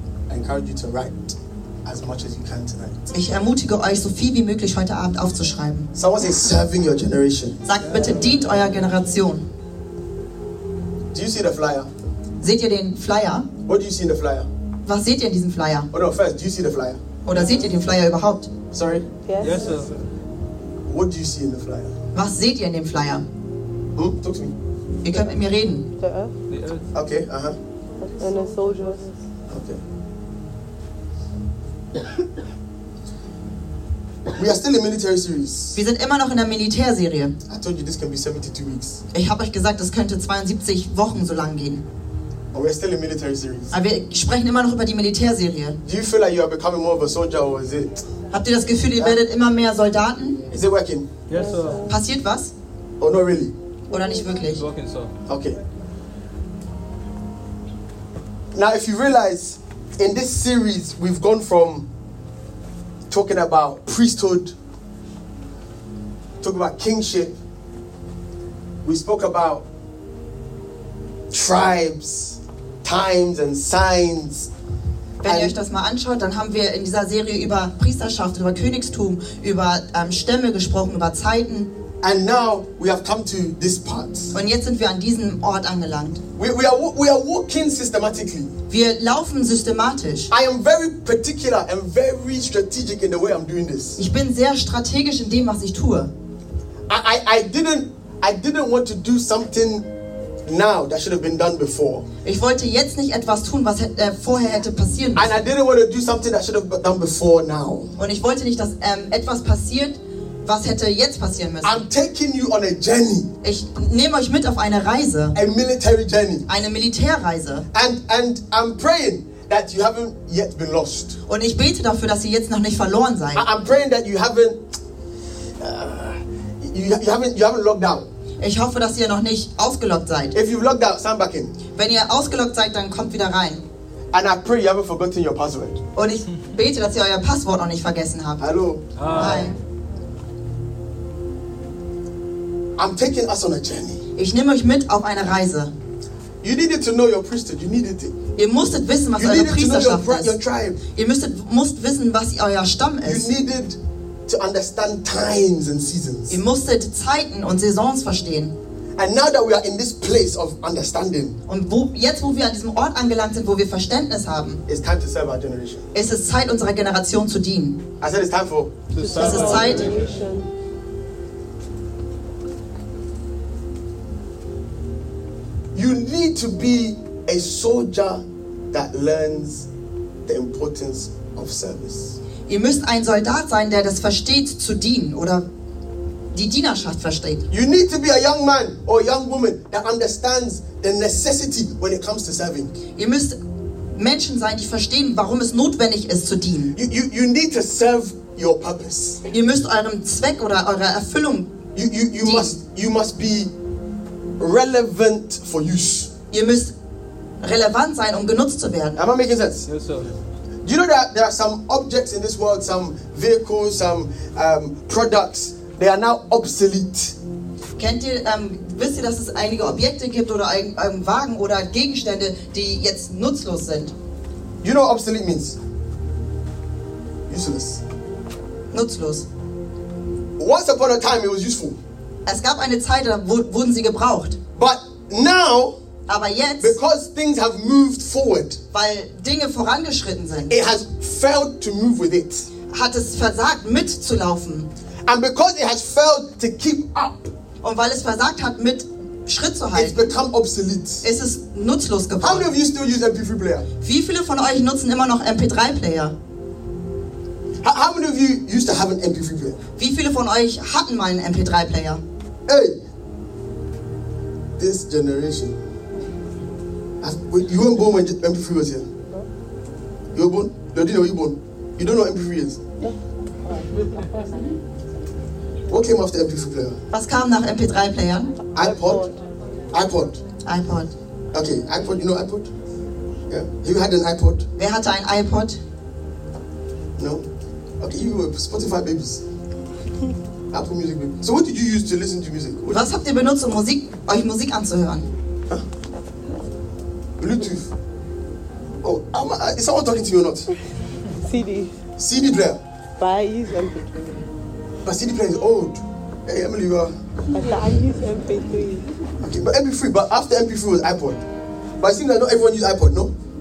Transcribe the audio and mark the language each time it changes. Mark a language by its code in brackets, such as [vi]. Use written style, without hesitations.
[en] I encourage you to write as much as you can tonight. [de] Ich ermutige euch, so viel wie möglich heute Abend aufzuschreiben. [en] Someone say, serving your generation. [de] Sagt bitte, dient eurer Generation. [en] Do you see the flyer? [de] Seht ihr den Flyer? [en] What do you see in the flyer? [de] Was seht ihr in diesem Flyer? [en] Oh no, first, do you see the flyer? [de] Oder seht ihr den Flyer überhaupt? [en] Sorry? Yes, sir. What do you see in the flyer? [de] Was seht ihr in dem Flyer? [en] Who? Talk to me. [de] Ihr könnt mit mir reden. [en] The earth. Okay, uh-huh. And the soldiers. Okay. We are still in military series. [de] Wir sind immer noch in der Militärserie. [en] I told you this can be 72 weeks. [de] Ich habe euch gesagt, das könnte 72 Wochen so lang gehen. [en] But we are still in military series. [de] Aber wir sprechen immer noch über die Militärserie. [en] Do you feel like you are becoming more of a soldier or is it... [de] Habt ihr das Gefühl, ihr werdet immer mehr Soldaten? [en] Is it working? Yes, sir. [de] Passiert was? [en] Oh, not really. [de] Oder nicht wirklich? [en] It's working, sir. Okay. Now, if you realize, in this series, we've gone from talking about priesthood, talking about kingship, we spoke about tribes, times and signs. [de] Wenn ihr euch das mal anschaut, dann haben wir in dieser Serie über Priesterschaft, über Königstum, über Stämme gesprochen, über Zeiten. [en] And now we have come to this part. [de] Und jetzt sind wir an diesem Ort angelangt. [en] We are walking systematically. [de] Wir laufen systematisch. [en] I am very particular and very strategic in the way I'm doing this. [de] Ich bin sehr strategisch in dem, was ich tue. [en] I didn't want to do something now that should have been done before. [de] Ich wollte jetzt nicht etwas tun, was vorher hätte passieren müssen. [en] And I didn't want to do something that should have done before now. [de] Und ich wollte nicht, dass etwas passiert, was hätte jetzt passieren müssen. [en] I'm taking you on a journey. [de] Ich nehme euch mit auf eine Reise. [en] A military journey. [de] Eine Militärreise. [en] And I'm praying that you haven't yet been lost. [de] Und ich bete dafür, dass ihr jetzt noch nicht verloren seid. [en] I'm praying that you haven't locked down. [de] Ich hoffe, dass ihr noch nicht ausgelockt seid. [en] If you've locked out, stand back in. [de] Wenn ihr ausgelockt seid, dann kommt wieder rein. [en] And I pray you haven't forgotten your password. [de] Und ich bete, dass ihr euer Passwort noch nicht vergessen habt. Hallo. [en] Hi. I'm taking us on a journey. [de] Ich nehme euch mit auf eine Reise. [en] You needed to know your priesthood. You needed it. [de] Ihr musstet wissen, was eure Priesterschaft ist. [en] Your tribe. [de] Ihr musst wissen, was euer Stamm ist. [en] You needed to understand times and seasons. [de] Ihr musstet Zeiten und Saisons verstehen. [en] And now that we are in this place of understanding, [de] und jetzt wo wir an diesem Ort angelangt sind, wo wir Verständnis haben, [en] it's time to serve our generation. [de] Es ist Zeit, unserer Generation zu dienen. [en] I said it's time for. [de] Es ist Zeit. [en] You need to be a soldier that learns the importance of service. [de] Ihr müsst ein Soldat sein, der das versteht zu dienen oder die Dienerschaft versteht. [en] You need to be a young man or a young woman that understands the necessity when it comes to serving. [de] Ihr müsst Menschen sein, die verstehen, warum es notwendig ist zu dienen. [en] You need to serve your purpose. [de] Ihr müsst eurem Zweck oder eurer Erfüllung dienen. [en] You must be relevant for use. [de] Ihr müsst relevant sein, um genutzt zu werden. [en] Am I making sense? Yes, sir. Do you know that there are some objects in this world, some vehicles, some products, they are now obsolete? [de] Kennt ihr, wisst ihr, dass es einige Objekte gibt oder einen Wagen oder Gegenstände, die jetzt nutzlos sind? [en] You know what obsolete means? Useless. [de] Nutzlos. [en] Once upon a time it was useful. [de] Es gab eine Zeit, da wurden sie gebraucht. [en] But now... [de] Aber jetzt, [en] because things have moved forward, [de] weil Dinge vorangeschritten sind, [en] it has failed to move with it, [de] hat es versagt mitzulaufen, [en] and because it has failed to keep up, [de] und weil es versagt hat mit Schritt zu halten, [en] it's become obsolete. [de] Es ist nutzlos geworden. [en] How many of you still use MP3 player? [de] Wie viele von euch nutzen immer noch MP3 Player? [en] How many of you used to have an MP3 player? [de] Wie viele von euch hatten mal einen MP3 Player? [en] Hey, this generation. You weren't born when MP3 was here. You were born? Lodina, were you born? You don't know what MP3 is? What came after MP3 player? [de] Was kam nach MP3 Playern? [en] iPod. iPod. Okay, iPod, you know iPod? Yeah. You had an iPod? [de] Wer hatte ein iPod? [en] No. Okay, you were Spotify babies. Apple Music babies. So what did you use to listen to music? [de] Was habt ihr benutzt, um Musik, euch Musik anzuhören? [en] Bluetooth. Oh, is someone talking to you or not? CD player. But I use MP3. But CD player is old. Hey, Emily, you are. But I use MP3. Okay, but MP3, but after MP3 was iPod. But it seems like not everyone used iPod, no?